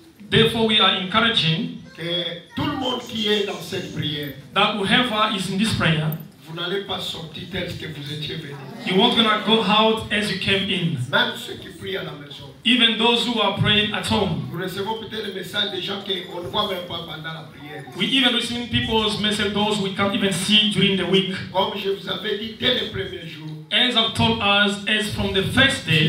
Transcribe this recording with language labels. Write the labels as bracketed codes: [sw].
[en] Therefore, we are encouraging that whoever is in this prayer, [fr] vous n'allez pas sortir tel que vous étiez venu. [en] You won't gonna go out as you came in. [fr] Même ceux qui prient à la maison. [en] Even those who are praying at home. [fr] Nous recevons peut-être des messages des gens qu'on ne voit même pas pendant la prière. [en] We even receive people's message, those we can't even see during the week. [fr] Comme je vous avais dit dès le premier jour. [en] As I've told us, as from the first day.